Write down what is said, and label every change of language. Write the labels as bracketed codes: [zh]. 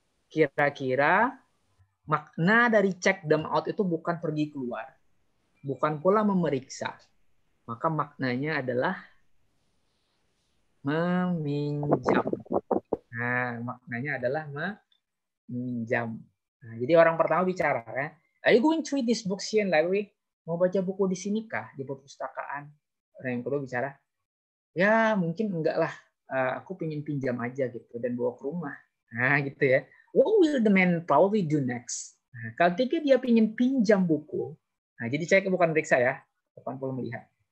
[id] Kira-kira makna dari check dan out itu bukan pergi keluar. Bukan pula memeriksa, maka maknanya adalah meminjam. Nah, maknanya adalah meminjam. Nah, jadi orang pertama bicara, ya, [en] are you going to read this book here in library? [id] Mau baca buku di sini kah, di perpustakaan? Orang yang kedua bicara, ya mungkin enggak lah, aku pengen pinjam aja gitu dan bawa ke rumah. Nah, gitu ya. [en] What will the man probably do next? [id] Nah, ketika dia pengen pinjam buku. Nah, jadi cek bukan periksa ya, bukan perlu melihat.